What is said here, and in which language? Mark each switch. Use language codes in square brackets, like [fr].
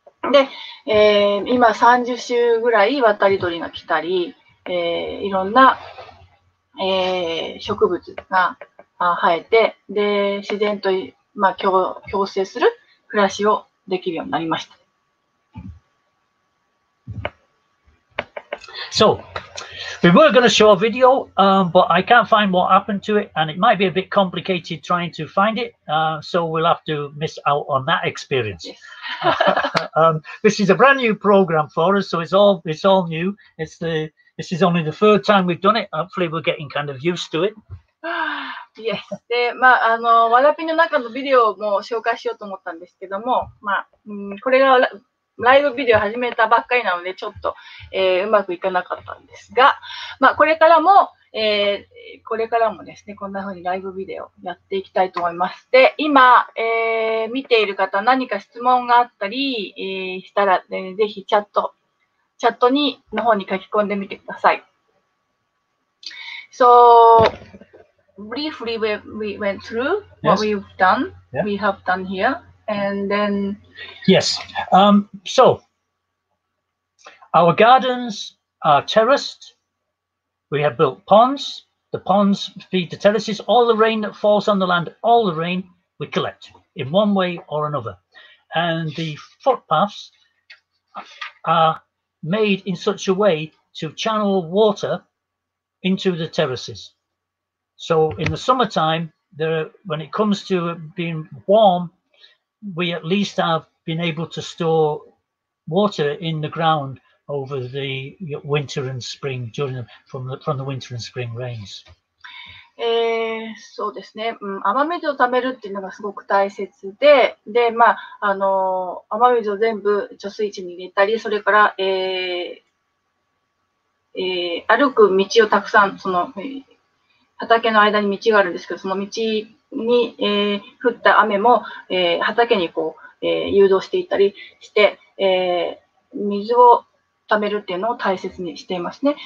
[ja] で、今30周ぐらい渡り鳥が来たり、いろんな、植物が生えて、で自然と、まあ、共生する暮らしをできるようになりました。 [en] So, we were going to show a video, but I can't find what happened to it, and it might be a bit complicated trying to find it, so we'll have to miss out on that experience. this is a brand new program for us, so it's all new. This is only the third time we've done it. Hopefully, we're getting kind of used to it. Yes. [ja] で、まあ、あの、わらぴの中のビデオも紹介しようと思ったんですけども、まあ、これがライブビデオ始めたばっかりなので、ちょっと、うまくいかなかったんですが、まあ、これからも、これからもですね、こんな風にライブビデオやっていきたいと思います。で、今、見ている方、何か質問があったり、したら、ぜひチャットにの方に書き込んでみてください。 [en] So, briefly we went through what we've done,、yeah. we have done here. And then, yes. So our gardens are terraced. We have built ponds. The ponds feed the terraces. All the rain that falls on the land, all the rain we collect in one way or another. And the footpaths are made in such a way to channel water into the terraces. So in the summertime, when it comes to being warm,We at least have been able to store water in the ground over the winter and spring during from the winter and spring rains. [ja] そうですね。雨水を貯めるっていうのがすごく大切で、で、まあ、あの、雨水を全部貯水池に入れたり、それから、歩く道をたくさん、その、畑の間に道があるんですけど、その道に、降った雨も、畑にこう、誘導していったりして、水を貯めるっていうのを大切にしていますね。